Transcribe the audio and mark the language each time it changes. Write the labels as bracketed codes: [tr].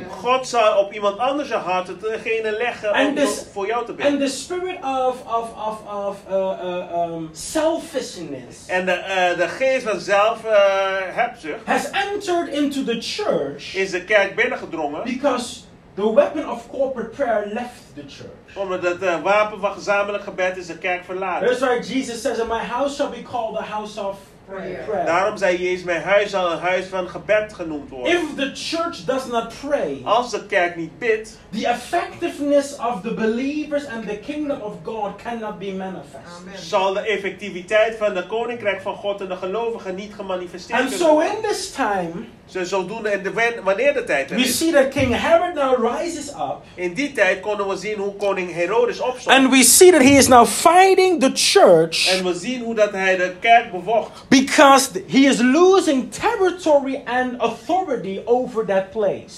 [nl] God zal op iemand anders zijn hart degene leggen om voor jou te bidden. [en] Spirit of selfishness. [nl] En de geest van zelfhebzucht [en] has entered into the church. [nl] Is de kerk binnengedrongen. [en] Because the weapon of corporate prayer left the church. [nl] Omdat het wapen van gezamenlijk gebed is de kerk verlaten. [en] That's why Jesus says that my house shall be called the house of prayer. [nl] Daarom zei Jezus, mijn huis zal een huis van gebed genoemd worden. [en] If the church does not pray, [nl] als de kerk niet bidt, [en] the effectiveness of the believers and the kingdom of God cannot be manifest. Amen. [nl] Zal de effectiviteit van de koninkrijk van God en de gelovigen niet gemanifesteerd [en] So in this time, [nl] zodoende wanneer de tijd er [en] we [nl] is. [en] See that King Herod now rises up. [nl] In die tijd konden we zien hoe koning Herodes opstond. [en] And we see that he is now fighting the church. [nl] En we zien hoe dat hij de kerk bevocht. [en] Because he is losing territory and authority over that place.